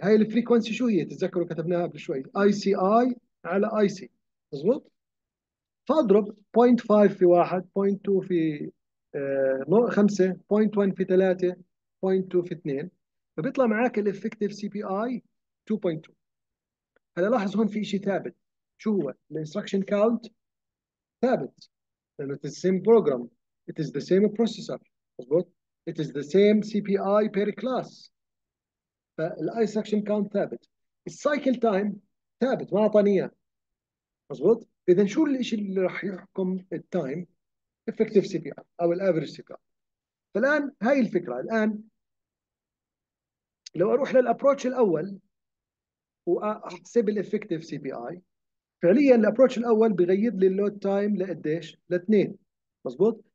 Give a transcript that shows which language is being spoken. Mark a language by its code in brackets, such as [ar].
[ar] هاي الفريكونسي شو هي؟ تتذكروا كتبناها قبل شوي، اي سي اي على اي سي مظبوط. فاضرب 0.5 في 1، 0.2 في 5، 0.1 في 3، 0.2 في 2، فبيطلع معاك الافكتيف سي بي اي 2.2. هلا لاحظ هون في شيء ثابت، شو هو؟ الانستركشن كاونت ثابت لانه [en] it is the same program, it is the same processor [ar] مظبوط، [en] it is the same CPI per class. [ar] فالاي سكشن كاونت ثابت، السايكل تايم ثابت ما اعطاني اياه مظبوط. اذا شو الشيء اللي راح يحكم التايم؟ effective CPI او الافرج CPI. فالان هاي الفكره. الان لو اروح للابروتش الاول واحسب الافكتيف سي بي اي، فعليا الابروتش الاول بغير لي اللود تايم لقديش؟ لاثنين مظبوط.